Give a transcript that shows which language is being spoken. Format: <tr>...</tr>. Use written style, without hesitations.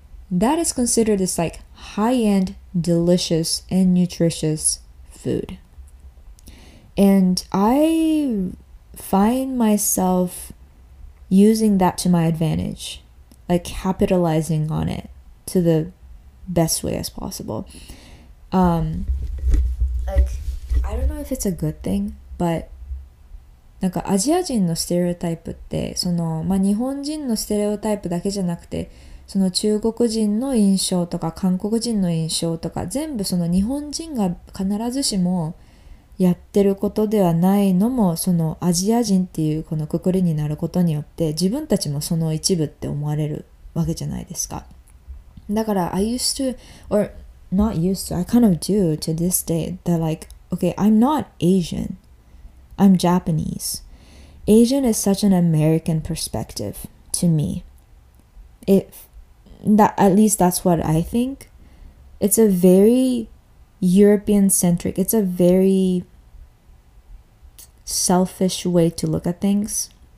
<en>That is considered this, like, high-end, delicious, and nutritious food. food. And I find myself using that to my advantage, like capitalizing on it to the best way as possible. Like, I don't know if it's a good thing, but</en> <ja>なんかアジア人のステレオタイプってそのまあ日本人のステレオタイプだけじゃなくてその中国人の印象とか韓国人の印象とか全部その日本人が必ずしもやってることではないのもそのアジア人っていうこのくくりになることによって自分たちもその一部って思われるわけじゃないですか。だから</ja> <en>I used to, or not used to, I kind of do to this day that like, okay, I'm not Asian. I'm Japanese. Asian is such an American perspective to me. That at least that's what I think. It's a very European-centric, it's a very selfish way to look at things.</en>